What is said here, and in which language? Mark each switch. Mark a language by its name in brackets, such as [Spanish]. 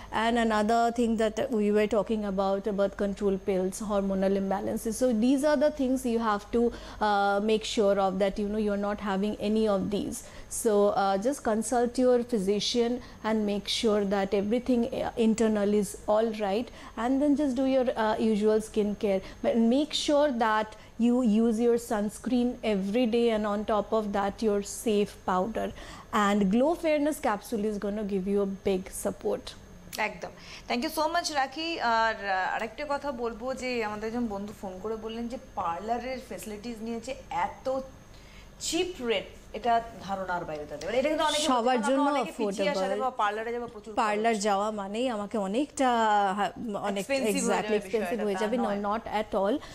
[English] And another thing that we were talking about birth control pills hormonal imbalances, so these are the things you have to make sure of that you know you are not having any of these. So just consult your physician and make sure that everything internal is all right and then just do your usual skin care. Make sure that you use your sunscreen every day and on top of that your safe powder and glow fairness capsule is going to give you a big support. [Bangla] একদম, [English] thank you so much [Bangla] রাখি। আর আরেকটা কথা বলবো যে আমাদের একজন বন্ধু phone করে বললেন যে পার্লারের ফেসিলিটিস নিয়েছে এত চিপ রেট, এটা ধারণার বাইরে থাকে, এটা কিন্তু অনেক সবার জন্য অ্যাফোর্ডেবল। পার্লারে যাবো প্রচুর, পার্লার যাওয়া মানেই আমাকে অনেকটা অনেক এক্স্যাক্টলি এক্সপেন্সিভ হয়ে যাবে, [English] Not at all.